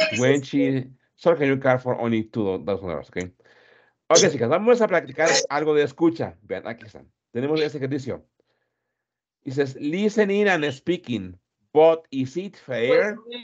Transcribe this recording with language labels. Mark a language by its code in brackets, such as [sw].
[en] When she sold her new car for only $2,000, okay? [es] Okay, chicas, vamos a practicar algo de escucha. Vean, aquí están. Tenemos este ejercicio. [en] It says, listening and speaking, but is it fair?